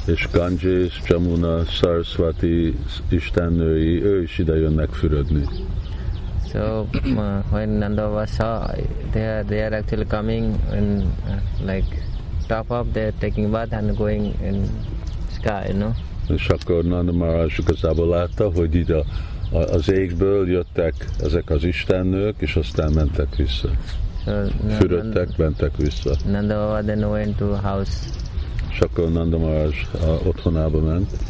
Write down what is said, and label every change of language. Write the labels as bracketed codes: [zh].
[hu] És Ganges, Jamuna, Saraswati, istennői, ő is ide jönnek fürödni. [en] So, when Nanda Baba saw, they are actually coming in, like, top up, they are taking bath and going in sky, you know. [hu] És akkor Nanda Maharaj igazából látta, hogy ide az égből jöttek ezek az istennők, és aztán mentek vissza. Fürödtek, mentek vissza. [en] Nanda Baba then went to house. [hu] És akkor Nanda Maharaj otthonába ment.